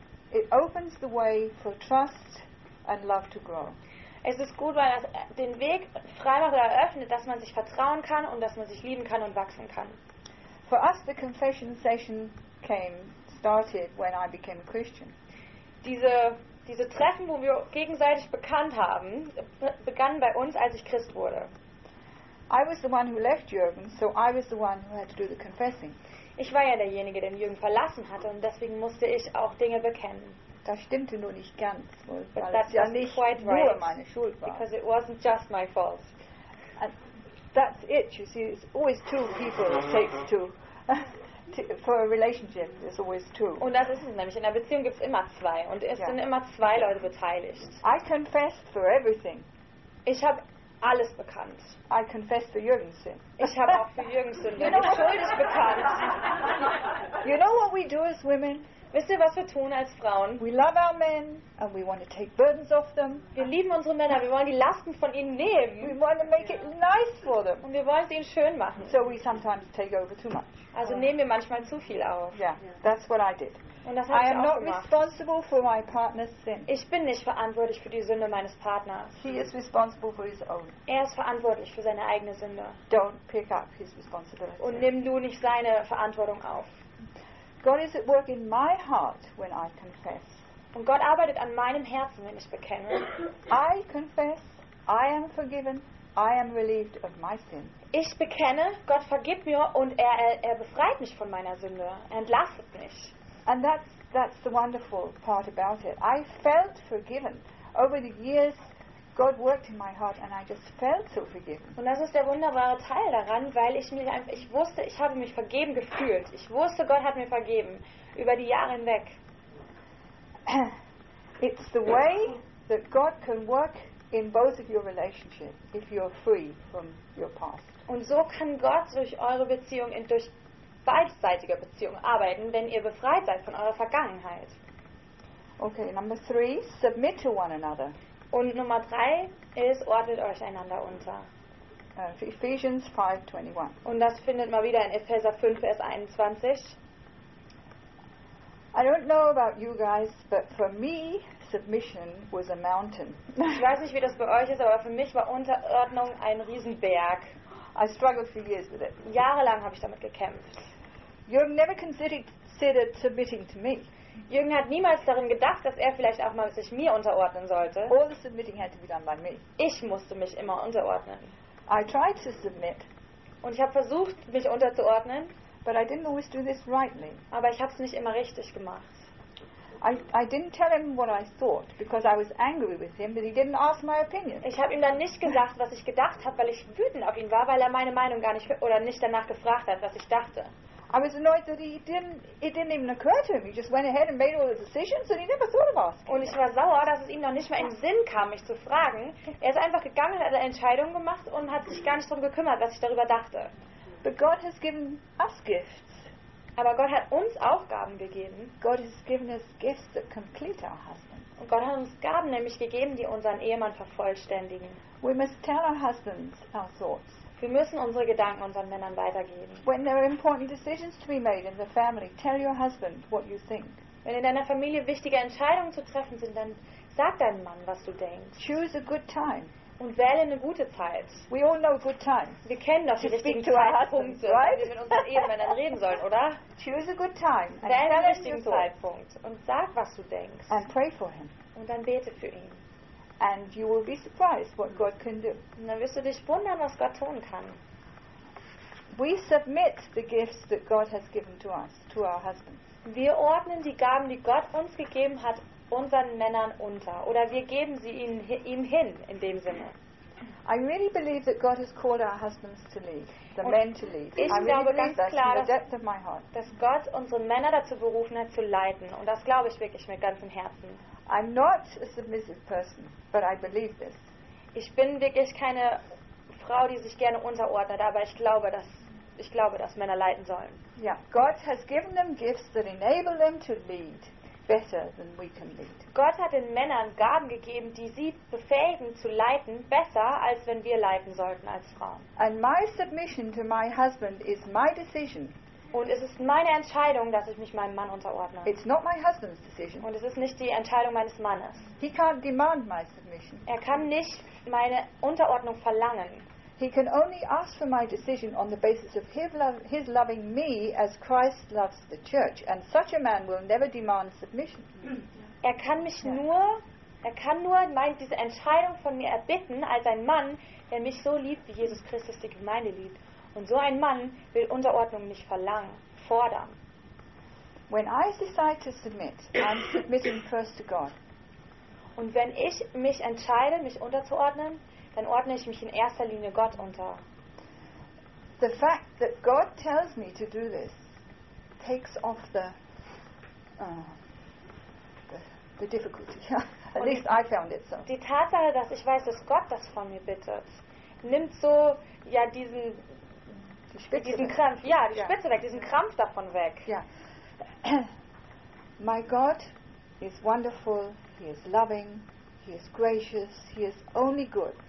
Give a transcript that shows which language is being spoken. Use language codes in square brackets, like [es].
[en] It opens the way for trust and love to grow. [de] Es ist gut, weil das den Weg frei macht oder eröffnet, dass man sich vertrauen kann und dass man sich lieben kann und wachsen kann. [en] For us, the confession session started when I became a Christian. [de] Diese Treffen, wo wir gegenseitig bekannt haben, begannen bei uns, als ich Christ wurde. [en] I was the one who left Jürgen, so I was the one who had to do the confessing. [de] Ich war ja derjenige, der Jürgen verlassen hatte, und deswegen musste ich auch Dinge bekennen. Das stimmte nur nicht ganz, weil es ja nicht quite nur [en] right, [de] meine Schuld war. [en] Because it wasn't just my fault. And that's it, you see, it's always two people it takes for a relationship, there's always two. [de] Und das ist es nämlich, in einer Beziehung gibt es immer zwei, und es sind immer zwei Leute beteiligt. [en] I confessed for everything. [de] Ich habe alles bekannt. [en] I confess for Jürgen's sin. [de] Ich habe auch für Jürgen's Sünde schuldig bekannt. [en] You know what we do as women? [de] Wisst ihr, was wir tun als Frauen? [en] We love our men and we want to take burdens off them. [de] Wir lieben unsere Männer, wir wollen die Lasten von ihnen nehmen. [en] We want to make it nice for them. [de] Und wir wollen es ihnen schön machen. [en] So we sometimes take over too much. [de] Also nehmen wir manchmal zu viel auf. [en] Yeah, that's what I did. [de] Und das habe ich auch gemacht. [en] I am not responsible for my partner's sin. [de] Ich bin nicht verantwortlich für die Sünde meines Partners. [en] He is responsible for his own. [de] Er ist verantwortlich für seine eigene Sünde. [en] Don't pick up his responsibility. [de] Und nimm du nicht seine Verantwortung auf. [en] God is at work in my heart when I confess. [de] Und Gott arbeitet an meinem Herzen, wenn ich bekenne. [en] I confess, I am forgiven, I am relieved of my sin. [de] Ich bekenne, Gott vergibt mir und er befreit mich von meiner Sünde, entlastet mich. [en] And that's the wonderful part about it. I felt forgiven over the years. God worked in my heart and I just felt so forgiven. [de] Und das ist der wunderbare Teil daran, weil ich habe mich vergeben gefühlt. Ich wusste, Gott hat mir vergeben über die Jahre hinweg. [en] It's the way that God can work in both of your relationships if you're free from your past. [de] Und so kann Gott durch eure Beziehung in durch beidseitige Beziehung arbeiten, wenn ihr befreit seid von eurer Vergangenheit. [en] Okay, number 3, submit to one another. [de] Und Nummer 3 ist, ordnet euch einander unter. [en] Ephesians 5, 21. [de] Und das findet man wieder in Epheser 5, Vers 21. [en] I don't know about you guys, but for me, submission was a mountain. [de] Ich weiß nicht, wie das bei euch ist, aber für mich war Unterordnung ein Riesenberg. [en] I struggled for years with it. [de] Jahrelang habe ich damit gekämpft. [en] Jürgen never considered submitting to me. [de] Jürgen hat niemals darin gedacht, dass er vielleicht auch mal sich mir unterordnen sollte. [en] All the submitting had to be done by me. [de] Ich musste mich immer unterordnen. [en] I tried to submit. [de] Und ich habe versucht, mich unterzuordnen. [en] But I didn't always do this rightly. [de] Aber ich habe es nicht immer richtig gemacht. [en] I didn't tell him what I thought because I was angry with him, but he didn't ask my opinion. [de] Ich habe ihm dann nicht gesagt, was ich gedacht habe, weil ich wütend auf ihn war, weil er meine Meinung gar nicht oder nicht danach gefragt hat, was ich dachte. [en] I was annoyed that it didn't even occur to him. He just went ahead and made all the decisions and he never thought of asking. [de] Und ich war sauer, dass es ihm noch nicht mal in den Sinn kam, mich zu fragen. Er ist einfach gegangen, hat eine Entscheidung gemacht und hat sich gar nicht darum gekümmert, was ich darüber dachte. [en] But God has given us gifts. [de] Aber Gott hat uns Aufgaben gegeben. [en] God has given us gifts that complete our husband. [de] Und Gott hat uns Gaben nämlich gegeben, die unseren Ehemann vervollständigen. [en] We must tell our husbands our thoughts. [de] Wir müssen unsere Gedanken unseren Männern weitergeben. [en] When there are important decisions to be made in the family, tell your husband what you think. [de] Wenn in deiner Familie wichtige Entscheidungen zu treffen sind, dann sag deinem Mann, was du denkst. [en] Choose a good time. [de] Und wähle eine gute Zeit. [en] We all know good times. [de] Wir kennen doch die richtigen Zeitpunkte, [en] husband, right? [de] Wenn wir mit unseren Ehemännern reden sollen, oder? [en] Choose a good time. [de] Wähle den richtigen Zeitpunkt und sag, was du denkst. [en] And pray for him. [de] Und dann bete für ihn. [en] And you will be surprised what God can do. [de] Und dann wirst du dich wundern, was Gott tun kann. [en] We submit the gifts that God has given to us, to our husbands. [de] Wir ordnen die Gaben, die Gott uns gegeben hat, unseren Männern unter. Oder wir geben sie ihm hin, in dem Sinne. [en] I really believe that God has called our husbands to lead, the men to lead. [de] Ich glaube ganz klar, dass Gott unsere Männer dazu berufen hat, zu leiten. Und das glaube ich wirklich mit ganzem Herzen. [en] I'm not a submissive person, but I believe this. [de] Ich bin wirklich keine Frau, die sich gerne unterordnet, aber ich glaube, dass Männer leiten sollen. [en] Yeah. God has given them gifts that enable them to lead better than we can lead. [de] Gott hat den Männern Gaben gegeben, die sie befähigen zu leiten besser, als wenn wir leiten sollten als Frauen. [en] And my submission to my husband is my decision. [de] Und es ist meine Entscheidung, dass ich mich meinem Mann unterordne. [en] It's not my husband's decision. [de] Und es ist nicht die Entscheidung meines Mannes. [en] He can't demand my submission. [de] Er kann nicht meine Unterordnung verlangen. [en] He can only ask for my decision on the basis of his loving me as Christ loves the church. And such a man will never demand submission. [de] Er kann nur diese Entscheidung von mir erbitten als ein Mann, der mich so liebt, wie Jesus Christus die Gemeinde liebt. Und so ein Mann will Unterordnung nicht verlangen, fordern. [en] When I decide to submit, I'm submitting first to God. [de] Und wenn ich mich entscheide, mich unterzuordnen, dann ordne ich mich in erster Linie Gott unter. [en] The fact that God tells me to do this takes off the difficulty. At least I found it so. [de] Die Tatsache, dass ich weiß, dass Gott das von mir bittet, nimmt so ja diesen Krampf, ja, die yeah. Spitze weg, diesen Krampf davon weg. [en] Yeah. My God is wonderful, he is loving, he is gracious, he is only good.